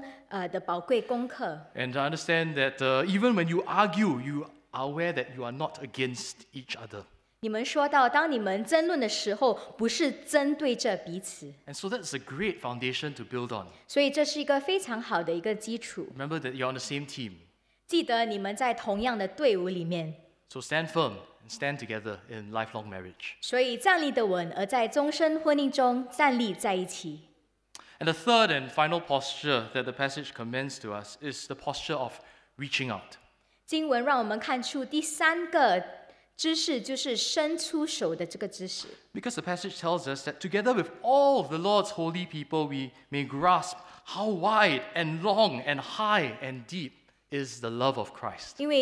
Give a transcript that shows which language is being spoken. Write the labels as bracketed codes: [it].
[en] And to understand that even when you argue, you are aware that you are not against each other. [zh] 你们说到当你们争论的时候, [en] and so that's a great foundation to build on. Remember that you're on the same team. [zh] 记得你们在同样的队伍里面. [en] So stand firm and stand together in lifelong marriage. [zh] 所以站立得稳而在终身婚姻中站立在一起. [en] And the third and final posture that the passage commends to us is the posture of reaching out. [zh] 经文让我们看出第三个姿势就是伸出手的这个姿势. [en] Because the passage tells us that together with all of the Lord's holy people, we may grasp how wide and long and high and deep is the love of Christ.